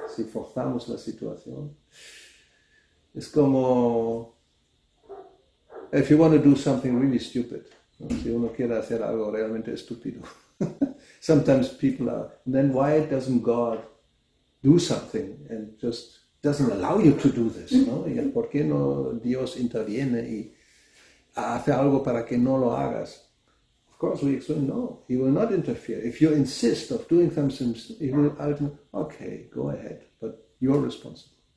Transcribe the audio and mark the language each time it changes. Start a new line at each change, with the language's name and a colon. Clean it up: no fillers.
Spanish: Si forzamos la situación.
English: It's como if you want to do something really stupid.
Spanish: Si uno quiere hacer algo realmente estúpido.
English: Sometimes people are, and then why doesn't God do something and just doesn't allow you to do this? No?
Spanish: ¿Y por qué no Dios interviene y hace algo para que no lo hagas?
English: Of course we explain, no, he will not interfere. If you insist of doing something, he will ultimately, okay, go ahead, but you're responsible.